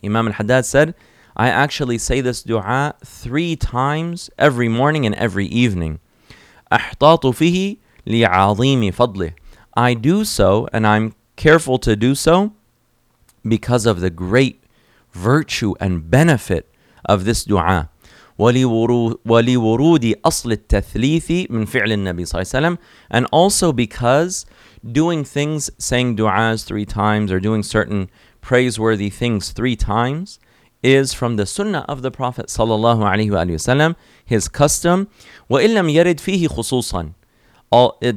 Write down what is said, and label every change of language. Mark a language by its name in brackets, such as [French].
[English] Imam Al-Haddad said, I actually say this dua 3 times every morning and every evening. [Arabic] Ahtatu fihi li'azimi fadlih. [English] I do so, and I'm careful to do so, because of the great virtue and benefit of this dua. [Arabic] ولورود أصل التثليث من فعل النبي صلى الله عليه وسلم. [English] And also because doing things, saying du'as three times, or doing certain praiseworthy things three times, is from the sunnah of the Prophet sallallahu alaihi wasallam, his custom. [Arabic] وَإِنْ لَمْ يَرِدْ فِيهِ خُصُوصًا.